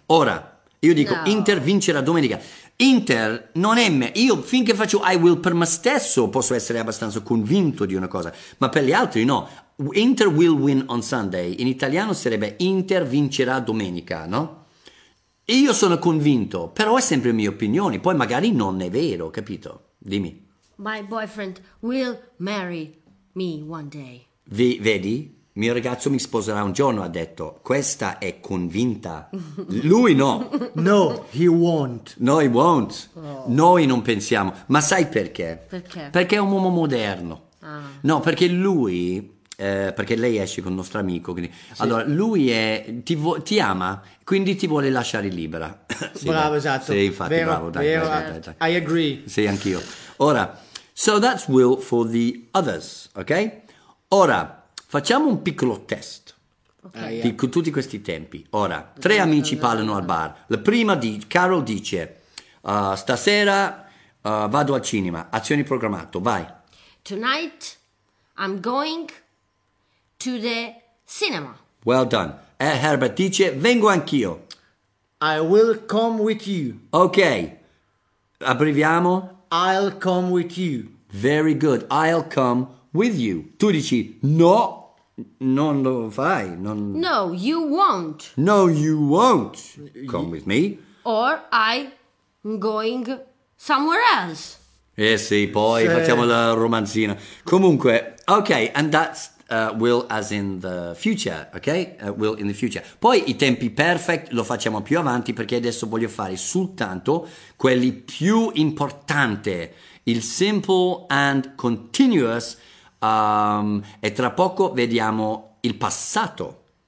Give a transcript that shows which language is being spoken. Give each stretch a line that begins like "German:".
Italian: Ora, io dico no. Inter vincerà domenica. Inter non è me, io finché faccio I will per me stesso posso essere abbastanza convinto di una cosa, ma per gli altri no.
English: Inter will win on Sunday,
Italian: in italiano sarebbe Inter vincerà domenica, no? Io sono convinto, però è sempre mia opinione, poi magari non è vero, capito? Dimmi.
English: My boyfriend will marry me one day.
Italian: Vedi? Mio ragazzo mi sposerà un giorno, ha detto. Questa è convinta. Lui no.
English: No, he won't. No, he won't.
Italian: Oh. Noi non pensiamo. Ma sai perché? Perché? Perché è un uomo moderno. Ah. No, perché lui... perché lei esce con il nostro amico, quindi... sì. Allora lui è ti ama, quindi ti vuole lasciare libera. Sì, bravo, esatto. Sì, infatti, vero, bravo, dai, vero, dai.
English: I agree.
Italian: Sì, anch'io.
English: Ora, so that's will for the others, ok?
Italian: Ora facciamo un piccolo test, okay. Di tutti questi tempi. Ora tre amici parlano al bar. La prima di Carol dice stasera vado al cinema, azioni programmato, vai.
English: Tonight I'm going to the cinema. Well done.
Italian: E Herbert dice, vengo anch'io.
English: I will come with you.
Italian: Ok. Abbreviamo.
English: I'll come with you. Very good. I'll come with you.
Italian: Tu dici, no, non lo fai. Non...
English: No, you won't. No, you won't come with me. Or I'm going somewhere else.
Italian: Eh sì, poi sì. Facciamo la romanzina.
English: Comunque, ok, and that's will as in the future, ok? Will in the future.
Italian: Poi i tempi perfect lo facciamo più avanti, perché adesso voglio fare soltanto quelli più importanti, il simple and continuous, e tra poco vediamo il passato.